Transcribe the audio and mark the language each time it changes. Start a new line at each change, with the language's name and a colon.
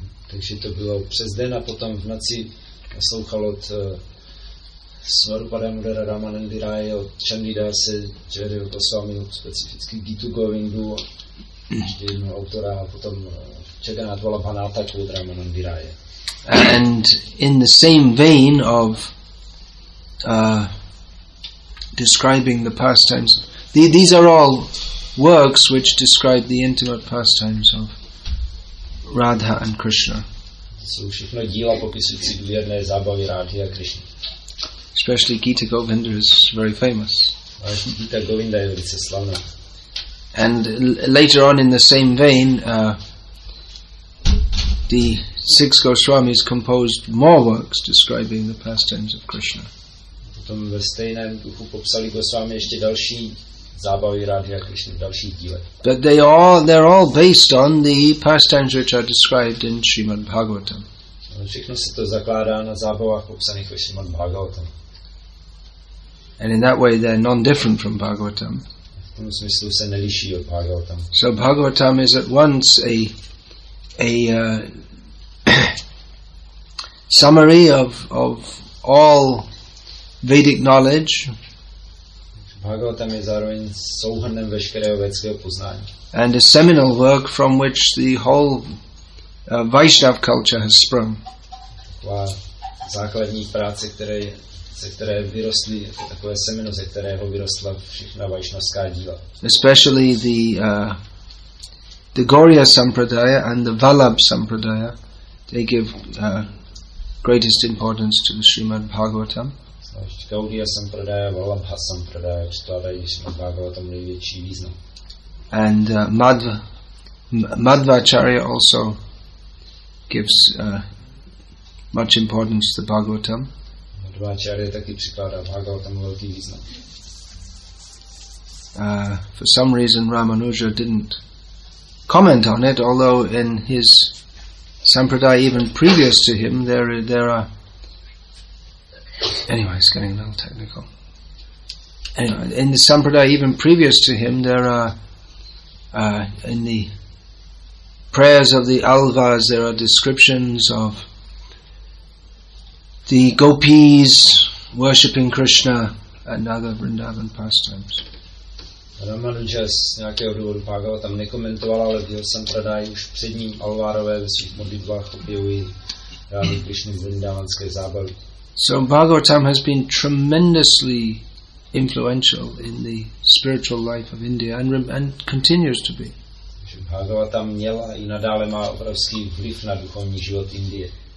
Czech: Takže to bylo přes den a potom v noci naslouchal od Svarupa Damodara Ramanandy Raje, od Chandidase, Jerry Goswami, specificky Gitu Govindu, ještě jednoho autora a potom Jagannath Vallabha Nataku od Ramanandy Raje.
English: And in the same vein of describing the pastimes, these are all works which describe the intimate pastimes of Radha and Krishna.
Czech: jsou všechno díla popisující důvěrné zábavy Rádhy a Krišny.
English: Especially Gita Govinda is very famous.
Czech: Gita Govinda je velice slavná.
English: And later on in the same vein, the six Goswamis composed more works describing the pastimes of Krishna.
Czech: Potom ve stejném duchu popsali Goswami ještě další zábavy Rádhy a Krišny, další díle.
English: But they're all based on the pastimes which are described in Srimad Bhagavatam.
Czech: Všechno se to zakládá na zábavách popsaných ve Srimad Bhagavatam.
English: And in that way they're non-different from Bhagavatam.
Czech: V tom smyslu se neliší od Bhagavatam.
English: So Bhagavatam is at once a summary of all Vedic knowledge.
Czech: Bhagavatam je zároveň souhrnem veškerého vedského poznání.
English: And a seminal work from which the whole Vaishnav culture has sprung.
Czech: Taková základní práce, ze které vyrostly, takové semeno, ze kterého vyrostla všechna vaishnavská díla.
English: Especially the Gaurīya Sampradaya and the Vallabh Sampradaya, they give greatest importance to the Srimad Bhagavatam.
Czech: Gaurīya Sampradaya, Vallabha Sampradaya, vkládají Srimad Bhagavatam největší význam.
English: And Madhvacharya also gives much importance to Bhagavatam.
Czech: Madhvacharya taky přikládá Bhagavatam velký význam.
English: For some reason Ramanuja didn't comment on it, although in his sampradaya even previous to him there are in the prayers of the Alvas there are descriptions of the gopis worshipping Krishna and other Vrindavan pastimes.
Czech: Ramanuja z nějakého důvodu Bhagavatam nekomentoval, ale v jeho sampradáji už před ním Alvarové ve svých modlitbách objevují Rádhu Krišnu z vrindávanské zábavy.
English: So Bhagavatam has been tremendously influential in the spiritual life of India and continues to be.
Czech: Bhagavatam měl a i nadále má obrovský vliv na duchovní život Indie.